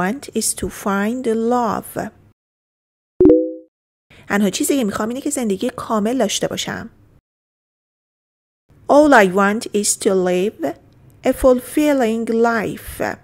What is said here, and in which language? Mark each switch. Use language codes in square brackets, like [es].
[en] All I want is to find love. [fa] تنها چیزی که میخوام اینه که زندگی کامل داشته باشم. [en] All I want is to live a fulfilling life.